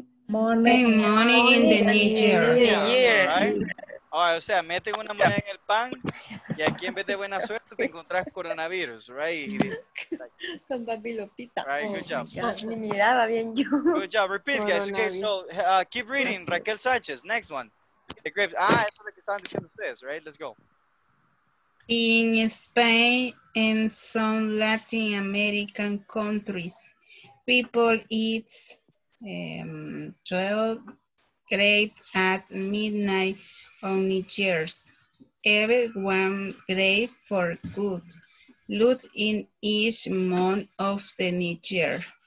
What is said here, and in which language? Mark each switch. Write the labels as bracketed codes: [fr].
[en] For luck and money in the new year. All right. [es] O sea, meten una moneda en el pan y aquí en vez de buena suerte te encontrás coronavirus, right? Con babilopita. [en] Right, good job. [es] Ni miraba bien yo. [en] Good job. Repeat, guys. Okay, so keep reading. Raquel Sánchez, next one. The grapes. [es] Eso es lo que estaban diciendo ustedes, right? [en] Let's go. In Spain and some Latin American countries, people eat 12 grapes at midnight on New Year's. Every one grape for good luck in each month of the New Year.